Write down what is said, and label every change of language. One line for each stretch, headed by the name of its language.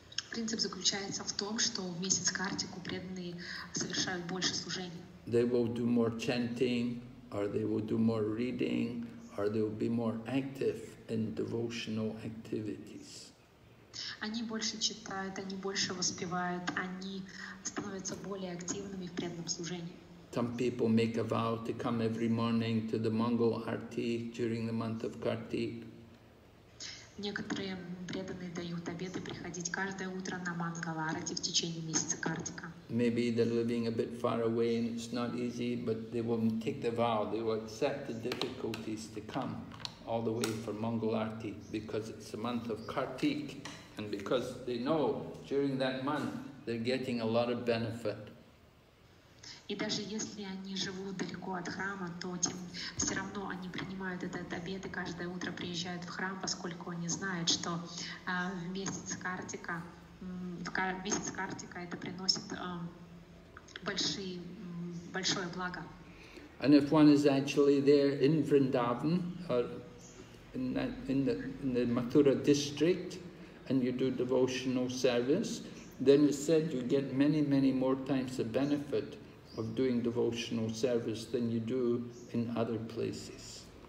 Russian: Принцип заключается в том, что в месяц Картику преданные совершают больше служений.
English: They will do more chanting, or they will do more reading, or they will be more active in devotional activities.
Russian: Они больше читают, они больше воспевают, они становятся более активными в преданном служении.
English: Some people make a vow to come every morning to the Mangal Arti during the month of Kartik.
Russian: Некоторые преданные дают обеты приходить каждое утро на Мангаларати в течение месяца Картика.
English: Maybe they're living a bit far away and it's not easy, but they won't take the vow. They will accept the difficulties to come all the way for Mangalarti because it's the month of Kartik, and because they know during that month they're getting a lot of benefit.
Russian: И даже если они живут далеко от храма, то тем все равно они принимают этот обед и каждое утро приезжают в храм, поскольку они знают, что в месяц Картика это приносит большое благо.
English: And if one is actually there in Vrindavan, or in the Mathura district, and you do devotional service, then it's said you get many, many more times the benefit of doing devotional service than you do in other places.